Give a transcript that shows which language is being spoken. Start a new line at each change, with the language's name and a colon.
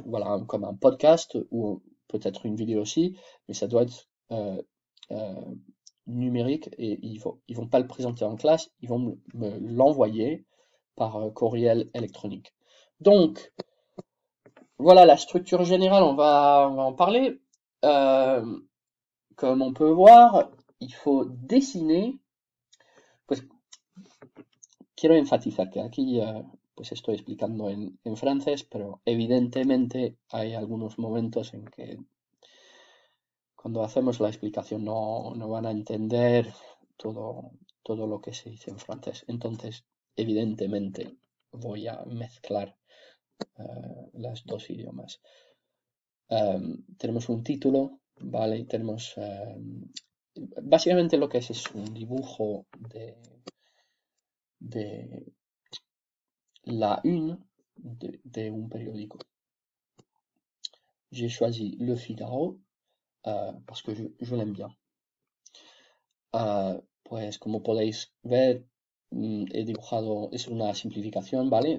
French: Voilà, comme un podcast ou peut-être une vidéo aussi, mais ça doit être numérique et ils vont pas le présenter en classe, ils vont me l'envoyer par courriel électronique. Donc, voilà la structure générale, on va en parler. Comme on peut voir, il faut dessiner.
Spanish: Pues, quiero enfatizar que aquí, pues estoy explicando en francés, pero evidentemente hay algunos momentos en que cuando hacemos la explicación no van a entender todo lo que se dice en francés. Entonces, evidentemente, voy a mezclar las dos idiomas. Tenemos un título, ¿vale? Tenemos básicamente lo que es un dibujo de la une de un périodico.
French: J'ai choisi Le Figaro parce que je l'aime bien.
Spanish: Pues como podéis ver, he dibujado, es una simplificación, ¿vale?